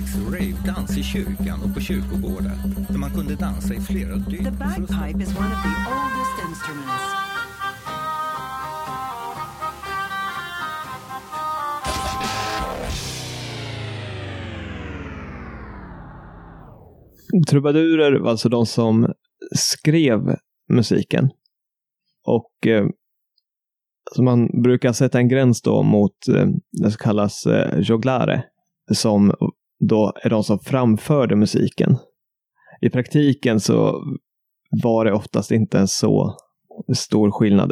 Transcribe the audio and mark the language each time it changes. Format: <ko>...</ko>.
<sv>Rave dance i kyrkan och på kyrkogårdar där man kunde dansa i flera dygn.</sv> <en>The bagpipe is one of the oldest instruments.</en> <sv>Trubadurer var alltså de som skrev musiken. Och så man brukar sätta en gräns då mot det som kallas joglare, som då är de som framförde musiken. I praktiken så var det oftast inte en så stor skillnad.</sv>